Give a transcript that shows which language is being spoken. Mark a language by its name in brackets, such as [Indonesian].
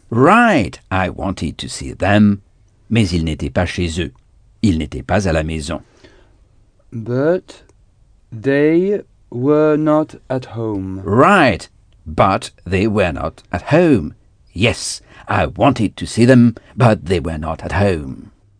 [English] Right, I wanted to see them. [French] Mais ils n'étaient pas chez eux. Ils n'étaient pas à la maison. [English] But they were not at home. Right, but they were not at home. Yes, I wanted to see them, but they were not at home.